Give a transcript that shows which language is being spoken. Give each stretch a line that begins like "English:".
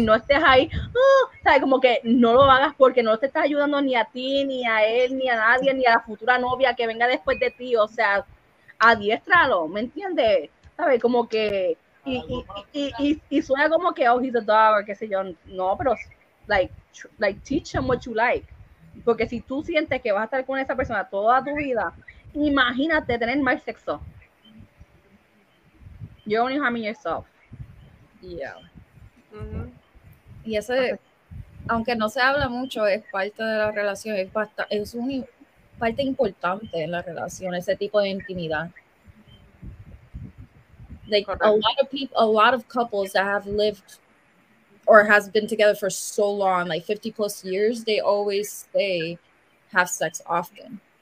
Spanish: No estés ahí, ¿sabes? Como que no lo hagas porque no te está ayudando ni a ti, ni a él, ni a nadie, ni a la futura novia que venga después de ti. O sea, adiéstralo, ¿me entiendes? ¿Sabes? Como que y suena como que,
English: oh, he's a dog,
Spanish: o qué sé yo. No, pero,
English: like, teach him what you like.
Spanish: Porque si tú sientes que vas a estar con esa persona toda tu vida, imagínate tener más sexo.
English: You're only harming yourself. Yeah.
Spanish: Y ese, aunque no se habla mucho, es parte de la relación, es una parte importante en la relación, ese tipo de intimidad.
English: Like, a lot of couples that have lived or has been together for so long, like 50 plus years, they always say have sex often.